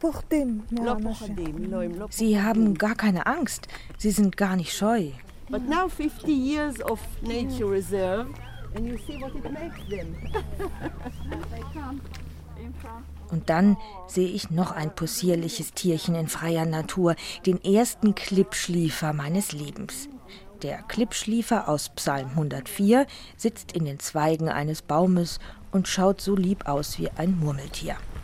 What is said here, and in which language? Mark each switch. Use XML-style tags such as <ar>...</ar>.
<de>Sie haben gar keine Angst, sie sind gar nicht scheu.</de> <en>But now 50 years of nature reserve, and you see what it makes them. They come in front.</en> <de>Und dann sehe ich noch ein possierliches Tierchen in freier Natur, den ersten Klippschliefer meines Lebens. Der Klippschliefer aus Psalm 104 sitzt in den Zweigen eines Baumes und schaut so lieb aus wie ein Murmeltier.</de>